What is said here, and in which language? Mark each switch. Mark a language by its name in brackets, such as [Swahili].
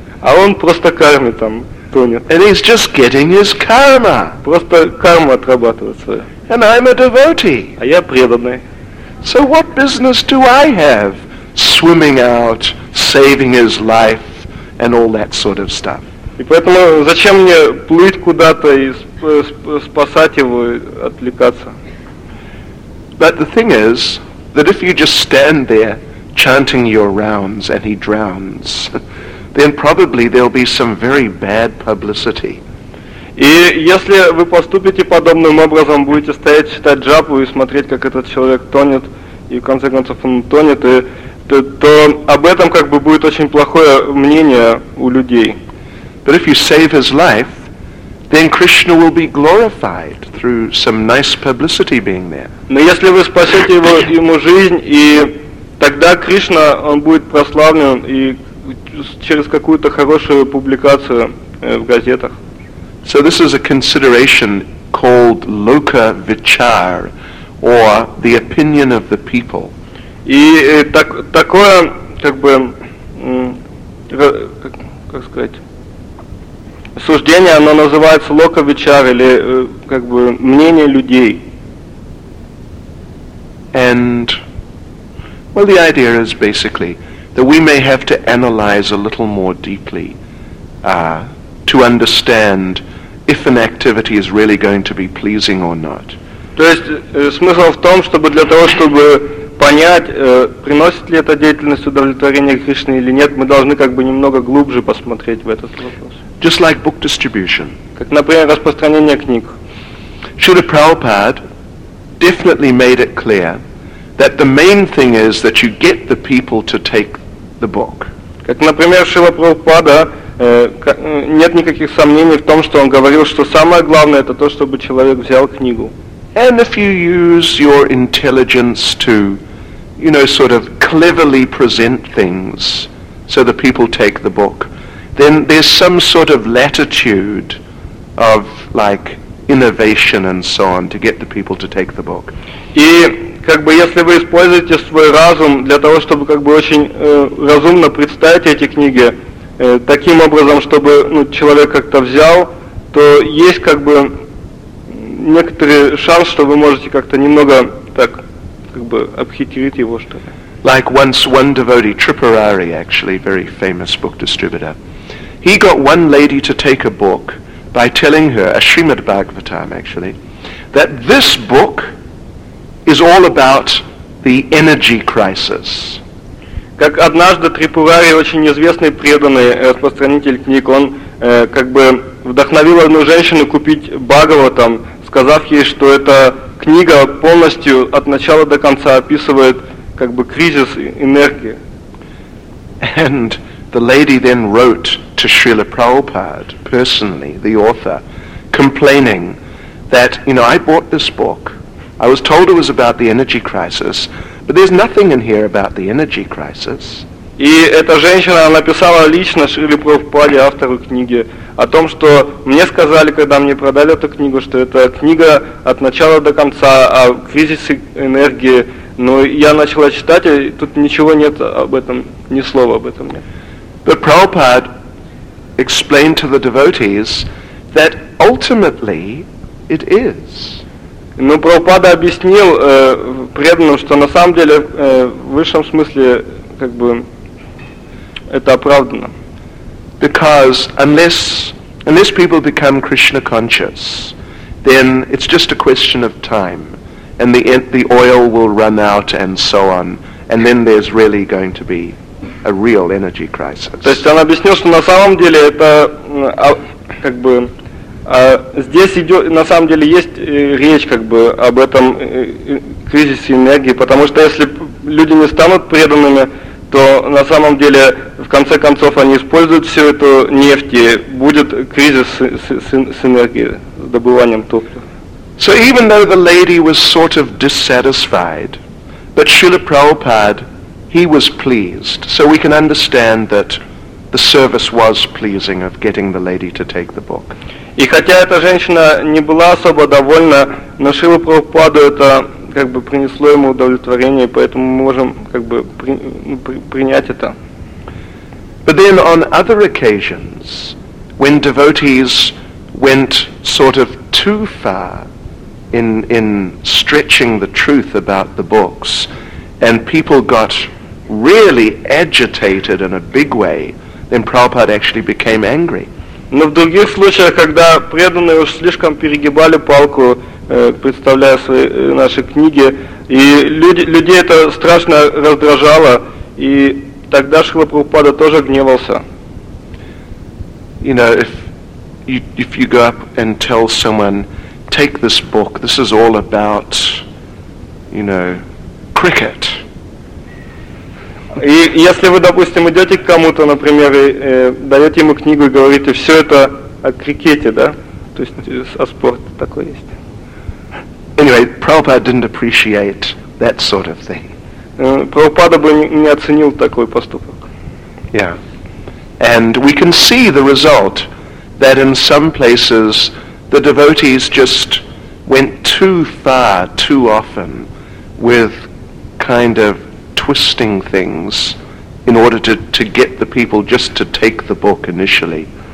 [Russian] А он просто карми там тонет. [English] And he's just getting his karma. [Russian] Просто карму отрабатывает свою. [English] And I'm a devotee. [Russian] А я преданный. [English] So what business do I have swimming out, saving his life, and all that sort of stuff? [Russian] И поэтому зачем мне плыть куда-то и спасать его, отвлекаться? [English] But the thing is that if you just stand there chanting your rounds and he drowns, then probably there'll be some very bad publicity. [Russian] И если вы поступите подобным образом, будете стоять, читать джапу и смотреть, как этот человек тонет, и в конце концов он тонет, то об этом как бы будет очень плохое мнение у людей. [English] But if you save his life, then Krishna will be glorified through some nice publicity being there. [Russian] Но если вы спасете ему жизнь, и тогда Кришна, он будет прославлен, и через какую-то хорошую публикацию в газетах. [English] So this is a consideration called loka vichar, or the opinion of the people. [Russian] И так, такое, как бы, как сказать, суждение, оно называется loka vichar, или как бы мнение людей. [English] And, well, the idea is basically that we may have to analyze a little more deeply to understand if an activity is really going to be pleasing or not. [Russian] То есть смысл в том, чтобы для того, чтобы понять, приносит ли эта деятельность удовлетворение Кришне или нет, мы должны как бы немного глубже посмотреть в этот вопрос. [English] Just like book distribution. [Russian] Как, например, распространение книг. [English] Шрила Прабхупада definitely made it clear that the main thing is that you get the people to take the book. [Russian] Как, например, Шрила Прабхупада, нет никаких сомнений в том, что он говорил, что самое главное это то, чтобы человек взял книгу. [English] And if you use your intelligence to, you know, sort of cleverly present things so the people take the book, then there's some sort of latitude of like innovation and so on to get the people to take the book. [Russian] И как бы если вы используете свой разум для того, чтобы как бы очень разумно представить эти книги таким образом, чтобы ну, человек как-то взял, то есть как бы некоторый шанс, что вы можете как-то немного так как бы обхитрить его что ли. [English] Like once one devotee, Tripurari, actually very famous book distributor, he got one lady to take a book by telling her, a Srimad Bhagavatam actually, that this book is all about the energy crisis. [Russian] Как однажды Трипурари, очень известный преданный распространитель книг, он как бы вдохновил одну женщину купить Бхагаватам, сказав ей, что эта книга полностью от начала до конца описывает как бы кризис энергии. [English] And the lady then wrote to Srila Prabhupada personally, the author, complaining that, you know, I bought this book, I was told it was about the energy crisis, but there's nothing in here about the energy crisis. [Russian] И эта женщина написала лично Шриле Прабхупаде, автору книги, о том, что мне сказали, когда мне продали эту книгу, что это книга от начала до конца о кризисе энергии. Но я начала читать, и тут ничего нет об этом, ни слова об этом нет. [English] But Prabhupada explained to the devotees that ultimately it is. [Russian] Но Прабхупада объяснил преданным, что на самом деле в высшем смысле как бы это оправдано. [English] Because unless people become Krishna conscious, then it's just a question of time, and the oil will run out and so on, and then there's really going to be a real energy crisis. [Russian] То есть он объяснил, что на самом деле это как бы здесь идет, на самом деле есть речь как бы об этом кризисе энергии, потому что если люди не станут преданными, то на самом деле в конце концов они используют всю эту нефть и будет кризис с энергией, с добыванием топлива. [English] So even though the lady was sort of dissatisfied, but Srila Prabhupada, he was pleased. So we can understand that the service was pleasing of getting the lady to take the book. [Russian] И хотя эта женщина не была особо довольна, но Шрила Прабхупаду это как бы принесло ему удовлетворение, поэтому мы можем как бы принять это. [English] But then on other occasions, when devotees went sort of too far in stretching the truth about the books, and people got really agitated in a big way, then Prabhupada actually became angry. [Russian] Но в других случаях, когда преданные уж слишком перегибали палку, представляя свои наши книги, и людей это страшно раздражало, и тогда Шрила Прабхупада тоже гневался. [English] You know, if you go up and tell someone, take this book, this is all about, you know, cricket. [Russian] И если вы, допустим, идете к кому-то, например, и даете ему книгу и говорите, все это о крикете, да? То есть о спорте такое есть. [English] Anyway, Prabhupada didn't appreciate that sort of thing. [Russian] Прабхупада бы не оценил такой поступок. [English] Yeah. And we can see the result, that in some places the devotees just went too far too often with kind of twisting things in order to get the people just to take the book initially.